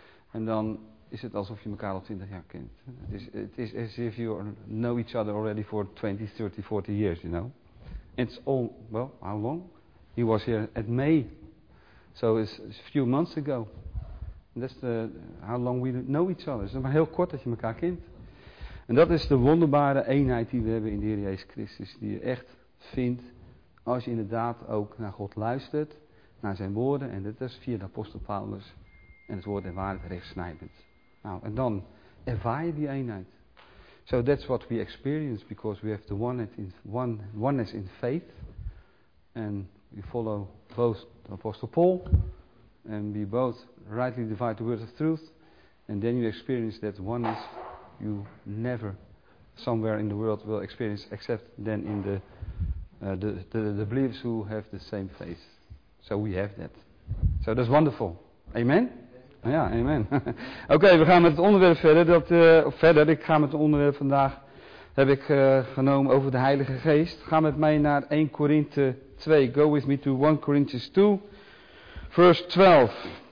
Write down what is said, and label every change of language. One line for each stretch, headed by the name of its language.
Dutch: En dan is het alsof je elkaar al 20 jaar kent.
English: It is as if you know each other already for 20, 30, 40 years, you know. It's all, well, how long? He was here at May, so it's a few months ago. And that's how long we know each other.
Dutch: Het is maar heel kort dat je elkaar kent. En dat is de wonderbare eenheid die we hebben in de Heer Jezus Christus. Die je echt vindt als je inderdaad ook naar God luistert, naar zijn woorden. En dat is via de apostel Paulus en het woord en waarheid rechtsnijdend. Nou, en dan ervaar je die eenheid.
English: So that's what we experience, because we have the oneness in faith. And we follow both the Apostle Paul, and we both rightly divide the words of truth, and then you experience that oneness you never somewhere in the world will experience, except then in the believers who have the same faith. So we have that. So that's wonderful. Amen?
Dutch: Ja, amen. Oké, we gaan met het onderwerp verder. Ik ga met het onderwerp vandaag, heb ik genomen over de Heilige Geest. Ga met mij naar 1 Korinthe 2.
English: Go with me to 1 Corinthians 2, verse 12.